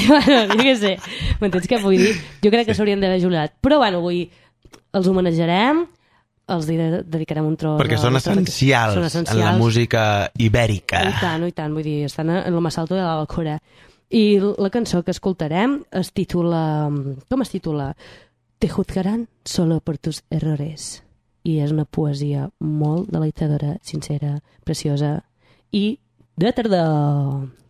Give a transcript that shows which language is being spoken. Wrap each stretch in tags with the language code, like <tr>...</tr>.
<ca>Bueno, jo què sé, m'entens què vull dir? Jo crec que s'haurien d'haver jubilat. Però, bueno, avui els homenatjarem, els dedicarem un tros... Perquè són essencials en la música ibèrica. I tant, vull dir, estan en el més alto de la cura. I la cançó que escoltarem es titula... Com es titula?</ca> <es>Te juzgarán solo por tus errores.</es> <ca>I és una poesia molt deleitadora, sincera, preciosa i de tardor.</ca>